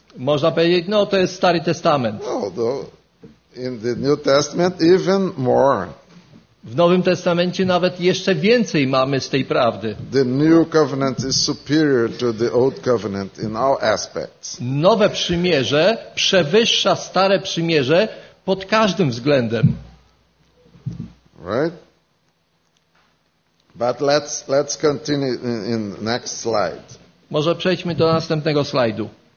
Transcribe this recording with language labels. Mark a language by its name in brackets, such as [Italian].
[Polish] Można powiedzieć, no to jest Stary Testament. [English] No, in the New Testament even more. [Polish] W Nowym Testamencie nawet jeszcze więcej mamy z tej prawdy. [English] The New Covenant is superior to the Old Covenant in all aspects. [Polish] Nowe przymierze przewyższa Stare przymierze pod każdym względem. [English] Right? But let's continue in next slide. [Polish] Może przejdźmy do następnego slajdu.